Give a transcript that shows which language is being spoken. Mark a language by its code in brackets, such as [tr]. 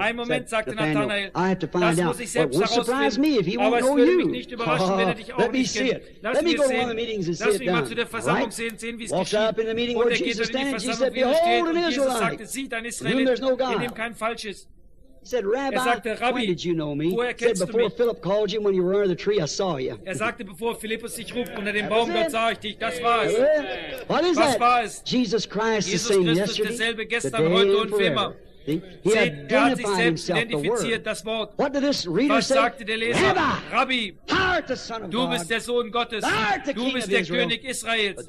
[de] Ein Moment, sagte Nathanael. Das muss ich selbst herausfinden. Aber es würde mich nicht überraschen, wenn er dich auch nicht kennt. Lass mich sehen. Lass mich mal zu der Versammlung sehen, wie es geschieht. Und er geht dann in die Versammlung, wie er steht. Und Jesus sagte, sieh, dein Israelit, in dem kein Falsch ist. Er sagte, Rabbi, [en] when did you know me? [de] Woher kennst du mich? [en] Philip called you when you were under the tree, I saw you. [de] Er sagte, bevor Philippus dich ruft unter dem Baum, dort sah ich dich. Das war es. [en] What is [de] was war es? [en] Jesus Christ [de] Jesus Christus [en] the same yesterday, [de] derselbe gestern, heute und für immer. [en] He [de] er hat sich selbst identifiziert, das Wort. [en] What did this reader [de] was sagte [en] say? [de] Der Leser? Rabbi, du bist der Sohn Gottes. Du bist der König Israels.